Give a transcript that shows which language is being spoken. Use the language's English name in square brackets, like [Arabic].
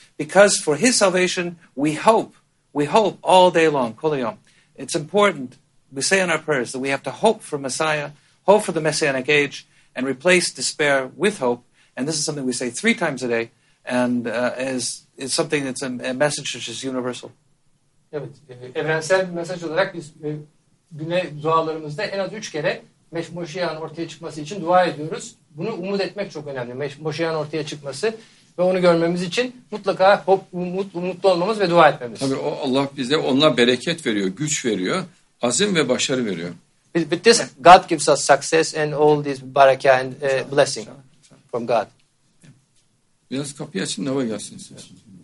[English] Because for his salvation, we hope all day long, [Hebrew] kol yom. [English] It's important, we say in our prayers, that we have to hope for Messiah, hope for the Messianic age, and replace despair with hope. And this is something we say 3 times a day, and is something that's a message which is universal. [Turkish] Evet, evrensel bir mesaj olarak biz güne dualarımızda en az 3 kere Moşiyah'ın ortaya çıkması için dua ediyoruz. Bunu umut etmek çok önemli, Moşiyah'ın ortaya çıkması. Ve onu görmemiz için mutlaka umutlu olmamız ve dua etmemiz. Tabii Allah bize onunla bereket veriyor, güç veriyor, azim ve başarı veriyor. [English] But this God gives us success and all this baraka and blessing from God. [Turkish] Biraz kapıyı açın, hava gelsin size. Buyurun.